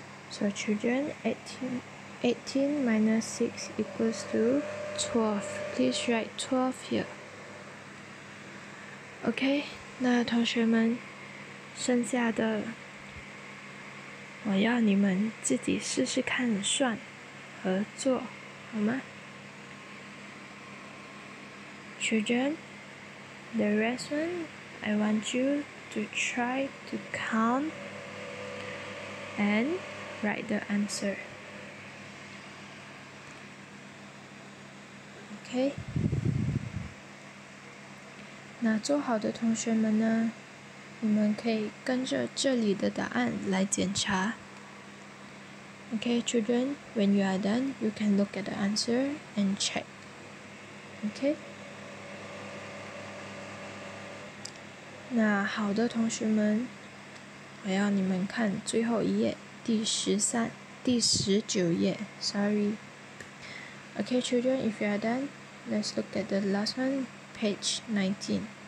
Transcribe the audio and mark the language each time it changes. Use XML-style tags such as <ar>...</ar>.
<en>So children, 18 minus 6 equals to 12. Please write 12 here. Okay.</en> <zh>那同学们，剩下的我要你们自己试试看算和做，好吗？</zh> <en>Children, the rest one, I want you to try to count and write the answer. Okay.</en> <zh>那做好的同学们呢，你们可以跟着这里的答案来检查。</zh> <en>Okay, children, when you are done, you can look at the answer and check. Okay?</en> <zh>那好的同学们，我要你们看最后一页，第十九页。</zh> <en>Sorry. Okay, children, if you are done, let's look at the last one, page 19.</en>